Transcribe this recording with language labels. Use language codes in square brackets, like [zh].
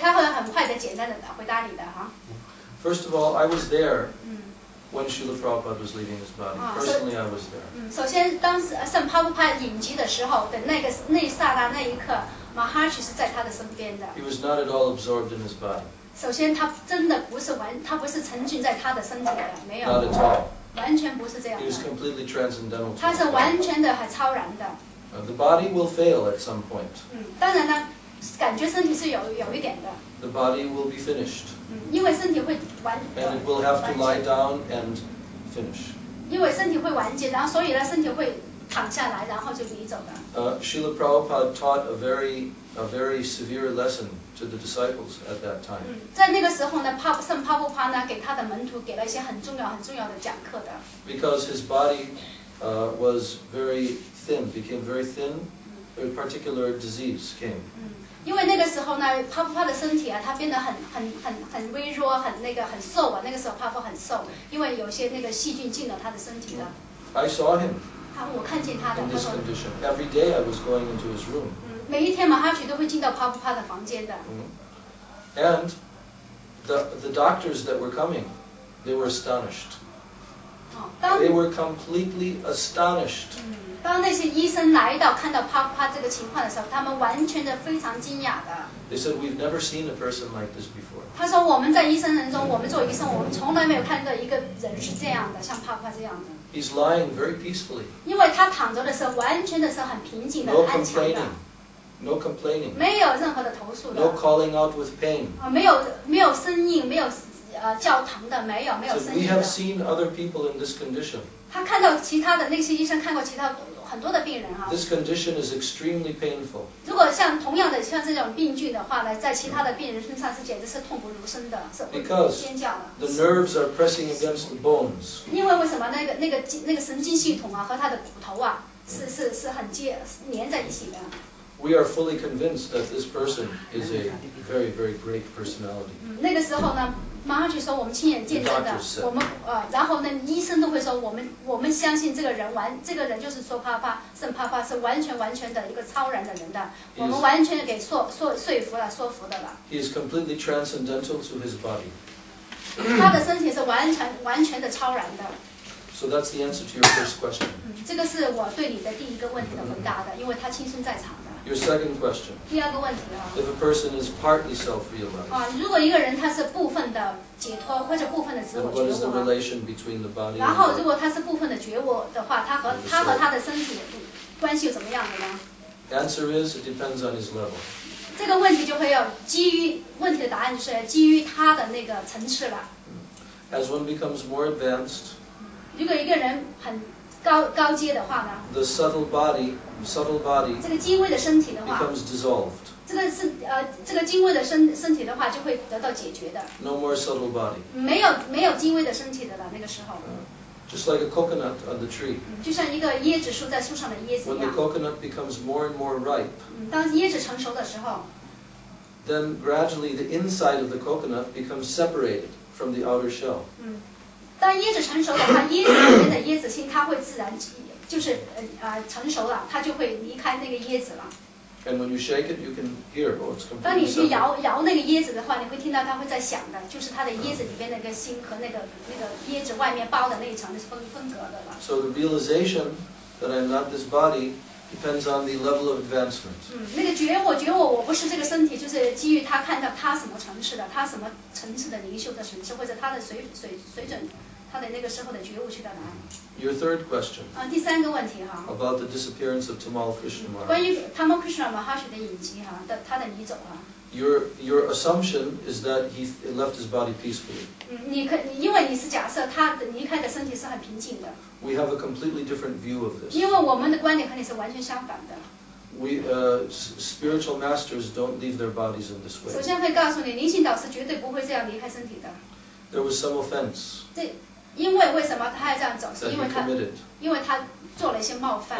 [zh] 他会很快的、简单的回答你的哈。 [en] First of all, I was there when Srila Prabhupada was leaving his body. Personally, I was there. [zh] 首先，当时圣帕布帕隐疾的时候的那个那一刹那那一刻，马哈奇是在他的身边的。 [en] He was not at all absorbed in his body. [zh] 首先，他真的不是完，他不是沉浸在他的身体的，没有。 [en] Not at all. [zh] 完全不是这样的。 [en] He was completely transcendental. [zh] 他是完全的还超然的。 [en] The body will fail at some point. [zh] 当然呢，感觉身体是有一点的。 [en] The body will be finished. [zh] 因为身体会完。 [en] And it will have to lie down and finish. [zh] 因为身体会完结，然后所以呢，身体会躺下来，然后就离走的。 [en] Srila Prabhupada taught a very severe lesson to the disciples at that time. [zh] 在那个时候呢，圣帕布帕呢，给他的门徒给了一些很重要的讲课的。 [en] Because his body was very thin, became very thin, a particular disease came. [zh] 因为那个时候呢，帕布帕的身体啊，他变得很微弱，很那个很瘦啊。那个时候帕布很瘦，因为有些那个细菌进了他的身体了。 [en] I saw him. [zh] 我看见他的。 [en] In this condition, every day I was going into his room. [zh] 每一天马哈许都会进到帕布帕的房间的。 [en] And the doctors that were coming, they were astonished. They were completely astonished. [zh] 当那些医生来到看到帕帕这个情况的时候，他们完全的非常惊讶的。 [en] They said we've never seen a person like this before. [zh] 他说我们在医生人中，我们做医生，我们从来没有看到一个人是这样的，像帕帕这样的。 [en] He's lying very peacefully. [zh] 因为他躺着的时候，完全的是很平静的，安详的。 [en] No complaining. No complaining. [zh] 没有任何的投诉的。 [en] No calling out with pain. [zh] 没有呻吟，没有叫疼的，没有呻吟的。 [en] So we have seen other people in this condition. [zh] 他看到其他的那些医生看过其他。很多的病人啊、 [en] This condition is extremely painful. [zh] 如果像同样的像这种病菌的话呢，在其他的病人身上是简直是痛不如生的，是尖叫的。 [en] Because the nerves are pressing against the bones. [zh] 因为什么那个神经系统啊和他的骨头啊是很粘在一起的。 [en] We are fully convinced that this person is a very very great personality. [zh] 那个时候呢，马哈许说我们亲眼见证的，我们然后呢，医生都会说我们相信这个人就是说帕帕圣帕帕是完全的一个超然的人的，我们完全给说服的了。 [en] He is completely transcendental to his body. [zh] 他的身体是完全的超然的。 [en] So that's the answer to your first question. [zh] 这个是我对你的第一个问题的回答的，因为他亲身在场。 [en] Your second question. [zh] 第二个问题啊。 [en] If a person is partly self-realized. [zh] 如果一个人他是部分的解脱或者部分的自我觉悟。 [en] What is the relation between the body? [zh] 然后如果他是部分的觉悟的话，他和他的身体关系又怎么样的呢？ [en] Answer is it depends on his level. [zh] 这个问题就会要基于问题的答案就是基于他的那个层次了。 [en] As one becomes more advanced. [zh] 如果一个人很高阶的话呢？ [en] The subtle body [zh] 这个精微的身体的话 [en] becomes dissolved. [zh] 这个精微的 身体的话就会得到解决的。 [en] No more subtle body. [zh] 没有精微的身体的了，那个时候。 [en] Just like a coconut on the tree. [zh] 就像一个椰子树在树上的椰子一样。 [en] When the coconut becomes more and more ripe. [zh] 当椰子成熟的时候。 [en] Then gradually the inside of the coconut becomes separated from the outer shell. [zh] 当椰子成熟的话，椰子里面的椰子心它会自然。就是成熟了，它就会离开那个椰子了。 [en] And when you shake it, you can hear it's completely separate. [zh] 当你去摇那个椰子的话，你会听到它会在响的，就是它的椰子里面那个心和那个椰子外面包的那一层是分隔的了。 [en] So the realization that I'm not this body depends on the level of advancement. [zh] 那个觉悟，我不是这个身体，就是基于他看到他什么层次的，他什么层次的灵修的层次，或者他的水准。他的那个时候的觉悟去到哪里？ [en] Your third question. [zh] 第三个问题哈。 [en] About the disappearance of Tamal Krishna Maharaj. [zh] 关于 Tamal Krishna Maharaj 的隐疾哈，他的移走啊。 [en] Your assumption is that he left his body peacefully. [zh] 因为你是假设他离开的身体是很平静的。 [en] We have a completely different view of this. [zh] 因为我们的观点和你是完全相反的。 [en] Spiritual masters don't leave their bodies in this way. [zh] 首先会告诉你，灵性导师绝对不会这样离开身体的。 [en] There was some offense. [zh] 因为什么他要这样走？是因为他做了一些冒犯。